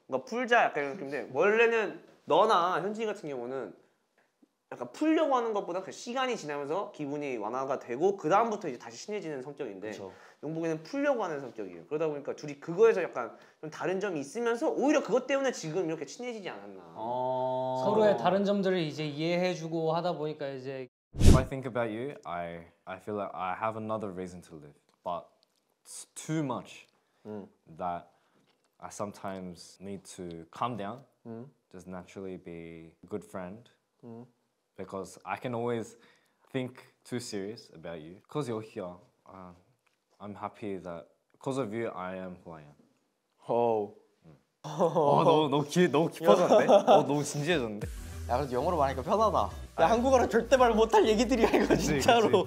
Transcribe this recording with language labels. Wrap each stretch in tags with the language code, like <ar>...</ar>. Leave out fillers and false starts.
<ko>뭔가 풀자 약간 이런 느낌인데 원래는 너나 현진이 같은 경우는 약간 풀려고 하는 것보다 그 시간이 지나면서 기분이 완화가 되고 그 다음부터 이제 다시 친해지는 성격인데 그쵸. 용복이는 풀려고 하는 성격이에요. 그러다 보니까 둘이 그거에서 약간 좀 다른 점이 있으면서 오히려 그것 때문에 지금 이렇게 친해지지 않았나. 서로의 다른 점들을 이제 이해해주고 하다 보니까 이제</ko> <en>If I think about you, I feel like I have another reason to live. But it's too much that I sometimes need to calm down. Just naturally be a good friend. Because I can always think too serious about you. Because you're here, I'm happy that because of you, I am who I am. Oh.</en> <ko>너무 깊어졌는데? 너무 진지해졌는데? 야, 그래도 영어로 말하니까 편하다. 야, 한국어로 절대 말 못할 얘기들이야, 이거 그치, 진짜로.</ko>